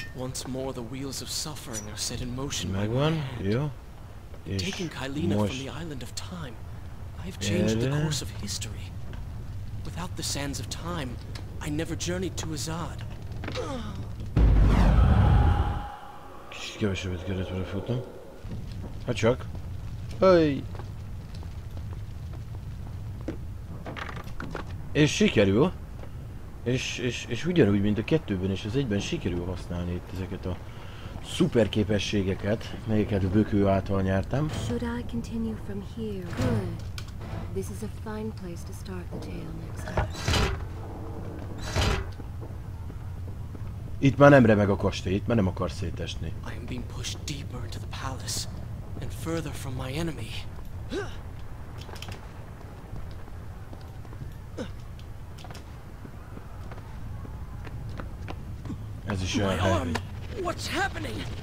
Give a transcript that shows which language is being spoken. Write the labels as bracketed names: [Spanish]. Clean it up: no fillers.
[English] Once more the wheels of suffering are set in motion. [Hungarian] Megvan, jó. [English] Taking Kylina from the island of time, I've changed the course of history. Without the sands of time, I never journeyed to Azad. [Hungarian] Kicsit kevesebbet kellett volna futnom. Ha csak. Hey. És sikerül. És ugyanúgy, mint a kettőben és az egyben sikerül használni itt ezeket a szuper képességeket, melyeket Bökő által nyertem. [English] Should I continue from here? Good. This is a fine place to start the tale next time. [Hungarian] Itt már nem remeg a kastély, itt már nem akar szétesni. [English] I am being pushed deeper into the palace and further from my enemy. Ez is olyan [Hungarian] hely. [English] What's happening?